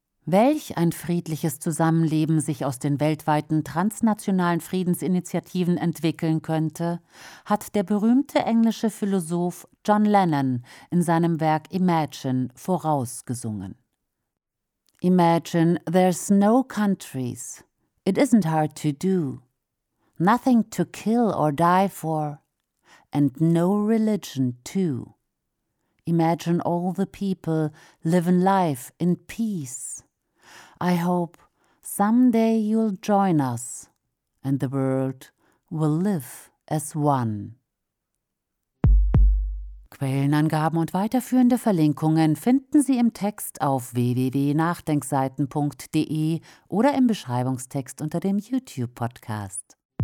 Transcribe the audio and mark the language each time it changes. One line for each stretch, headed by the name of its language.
German: Welch ein friedliches Zusammenleben sich aus den weltweiten transnationalen Friedensinitiativen entwickeln könnte, hat der berühmte englische Philosoph John Lennon in seinem Werk Imagine vorausgesungen.
English: Imagine there's no countries. It isn't hard to do. Nothing to kill or die for. And no religion too. Imagine all the people live in life in peace. I hope someday you'll join us and the world will live as one.
German: Quellenangaben und weiterführende Verlinkungen finden Sie im Text auf www.nachdenkseiten.de oder im Beschreibungstext unter dem YouTube-Podcast.